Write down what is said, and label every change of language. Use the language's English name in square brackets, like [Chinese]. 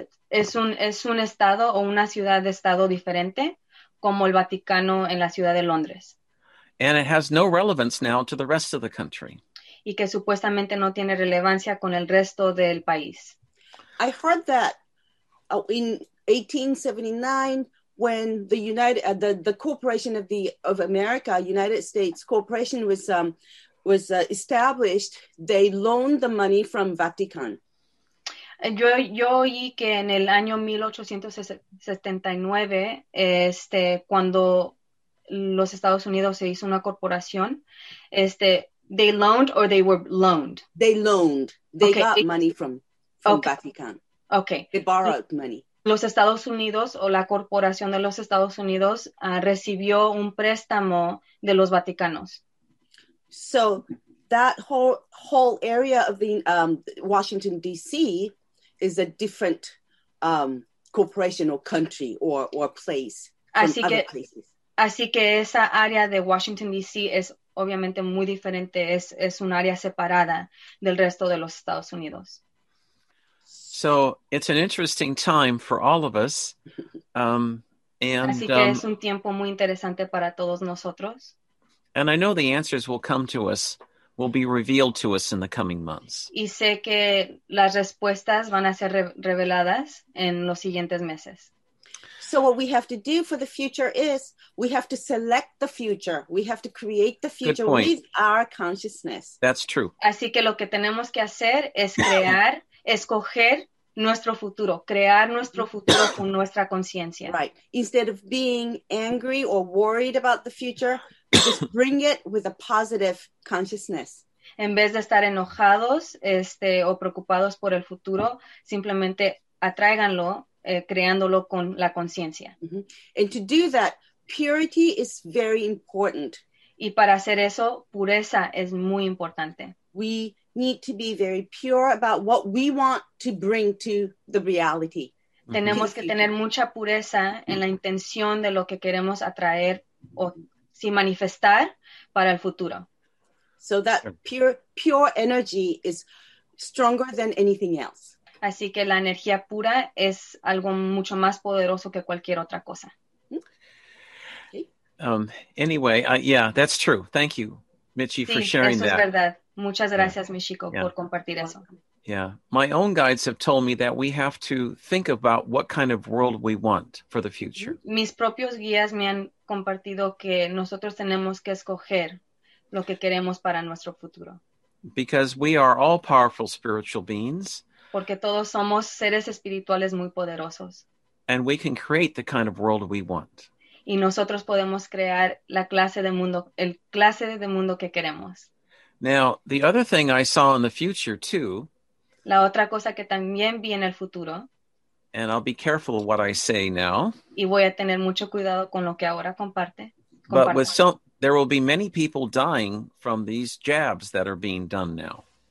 [Spanish] Es un estado o una ciudad de estado diferente como el Vaticano en la ciudad de Londres. [English] And it has no relevance now to the rest of the country. [Spanish] Y que supuestamente no tiene relevancia con el resto del país. [English] I heard that in 1879 when the United the Corporation of the of America, United States Corporation was established, they loaned the money from Vatican. [Spanish] Yo oí que en el año 1879, cuando los Estados Unidos se hizo una corporación, [English] they loaned or they were loaned? They loaned. They got money from okay. Vatican. Okay. They borrowed money. [Spanish] Los Estados Unidos o la corporación de los Estados Unidos recibió un préstamo de los Vaticanos. [English] So that whole area of the Washington, D.C., is a different corporation or country or place [Spanish] Así que esa área de Washington D.C. es obviamente muy diferente, es un área separada del resto de los Estados Unidos. [English] So, it's an interesting time for all of us. [Spanish] Así que es un tiempo muy interesante para todos nosotros. [English] And I know the answers will come to us. Will be revealed to us in the coming months. [Spanish] Y sé que las respuestas van a ser reveladas en los siguientes meses. [English] So what we have to do for the future is we have to select the future. We have to create the future with our consciousness. That's true. [Spanish] Así que lo que tenemos que hacer es crear, escoger nuestro futuro, crear nuestro futuro con nuestra conciencia. [English] Right. Instead of being angry or worried about the future, just bring it with a positive consciousness. [Spanish] En vez de estar enojados, o preocupados por el futuro, simplemente atráiganlo, creándolo con la conciencia. Mm-hmm. [English] And to do that, purity is very important. [Spanish] Y para hacer eso, pureza es muy importante. [English] We need to be very pure about what we want to bring to the reality. [Spanish] Tenemos mm-hmm. que tener mucha pureza en la intención de lo que queremos atraer o sin manifestar para el futuro. [English] So that pure energy is stronger than anything else. [Spanish] Así que la energía pura es algo mucho más poderoso que cualquier otra cosa. [English] That's true. Thank you, Michi, [Spanish] sí, [English] for sharing that. [Spanish] Sí, eso es verdad. Muchas gracias, Michiko, por compartir eso. [English] Yeah, my own guides have told me that we have to think about what kind of world we want for the future. [Spanish] Mis propios guías me han compartido que nosotros tenemos que escoger lo que queremos para nuestro futuro. [English] Because we are all powerful spiritual beings. [Spanish] Porque todos somos seres espirituales muy poderosos. [English] And we can create the kind of world we want. [Spanish] Y nosotros podemos crear la clase de mundo, el clase de mundo que queremos. [English] Now, the other thing I saw in the future too. [Spanish] La otra cosa que también vi en el futuro. [English] And I'll be careful what I say now. [Spanish] Y voy a tener mucho cuidado con lo que ahora comparte. [English] But with some, there will be many people dying from these jabs that are being done now.